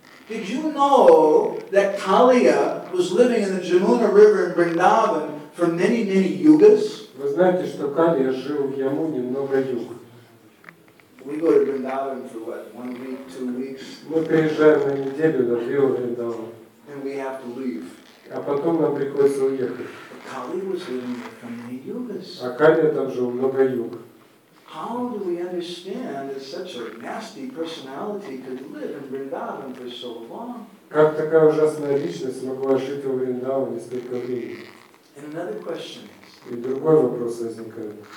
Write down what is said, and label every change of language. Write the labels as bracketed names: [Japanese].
[English] Did you know that Kaliya was living in the Jamuna River in Vrindavan for many, many yugas? [Russian] Вы знаете, что Калия жил в Ямуне много юг. [English] We go to Vrindavan for what? 1 week, 2 weeks? [Russian] Мы приезжаем на неделю до Рио Вриндава. [English] And we have to leave. [Russian] А потом нам приходится уехать. [English] Kali was living there for many yugas. [Russian] А Кали там жил много юг. [English] how do we understand that such a nasty personality could live in Vrindavan for so long? [Russian] Как такая ужасная личность могла жить в Вриндаване столько времени? [English] And another question. [Russian] И другой вопрос возникает.